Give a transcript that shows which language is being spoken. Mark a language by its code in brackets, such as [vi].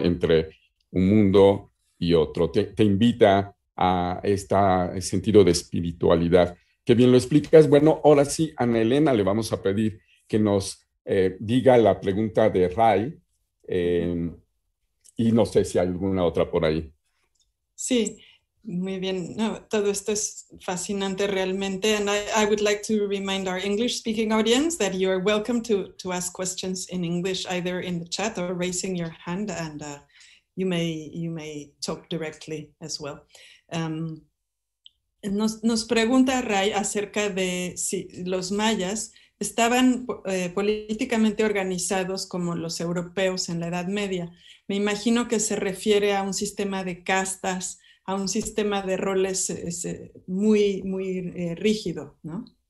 [es] Entre un mundo y otro. Te invita a este sentido de espiritualidad. Qué bien lo explicas. Bueno, ahora sí, Ana Elena, le vamos a pedir que nos diga la pregunta de Ray. Y no sé si hay alguna otra por ahí. Sí, muy bien. No, todo esto es fascinante realmente. [en] And I would like to remind our English-speaking audience that you are welcome to ask questions in English, either in the chat or raising your hand, and you may talk directly as well. [es] Nos pregunta Ray acerca de si los mayas estaban políticamente organizados como los europeos en la Edad Media. Me imagino que se refiere a un sistema de castas, a un sistema de roles muy, muy rígido, ¿no?